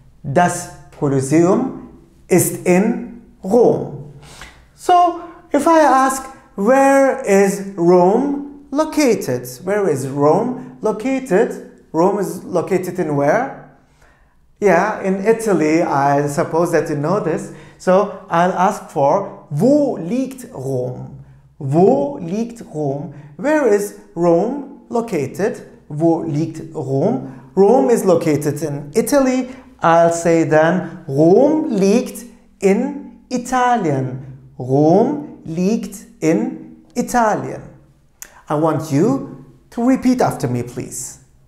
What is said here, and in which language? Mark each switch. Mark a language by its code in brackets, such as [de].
[de] Das Colosseum ist in Rom. [en] So if I ask, where is Rome located? Where is Rome located? Rome is located in where? Yeah, in Italy, I suppose that you know this. So I'll ask for, [de] wo liegt Rom? Wo liegt Rom? [en] Where is Rome located? [de] Wo liegt Rom? [en] Rome is located in Italy. I'll say then, [de] Rom liegt in Italien. Rom liegt in Italien. [en] I want you to repeat after me, please.